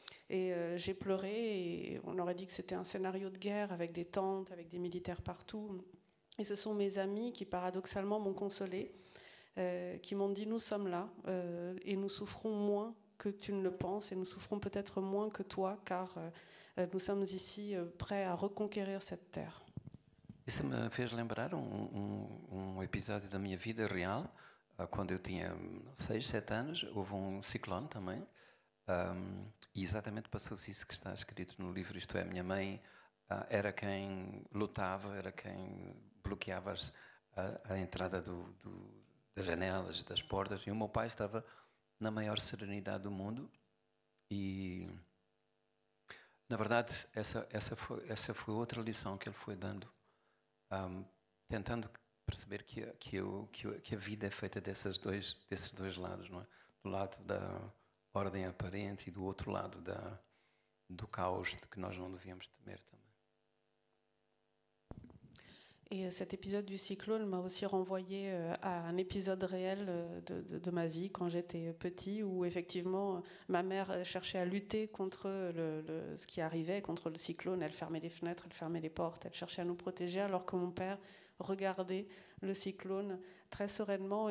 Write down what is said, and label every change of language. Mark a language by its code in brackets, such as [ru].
[fr] Et j'ai pleuré, et on aurait dit que c'était un scénario de guerre avec des tentes, avec des militaires partout. Et ce sont mes amis qui, paradoxalement, m'ont consolée. qui m'ont dit nous sommes là et nous souffrons moins que tu ne le penses et nous souffrons peut-être moins que toi car nous sommes ici prêts à reconquérir cette terre. [pt] Isso me fez lembrar um episódio da minha vida real, quando eu tinha 6-7 anos, houve um ciclone também, e exatamente passou-se isso que está escrito no livro, isto é, minha mãe era quem lutava, era quem bloqueava a entrada das janelas, das portas, e o meu pai estava na maior serenidade do mundo, e na verdade essa foi outra lição que ele foi dando. Tentando perceber que a vida é feita desses dois lados, não é? Do lado da ordem aparente e do outro lado do caos que nós não devíamos temer também. E esse episódio do ciclone [fr] m'a aussi renvoyé à un épisode réel de ma vie quand j'étais petit, où effectivement ma mère cherchait à lutter contre ce qui arrivait, contre le cyclone. Elle fermait les fenêtres, elle fermait les portes, elle cherchait à nous protéger, alors que mon père regardait le cyclone très sereinement.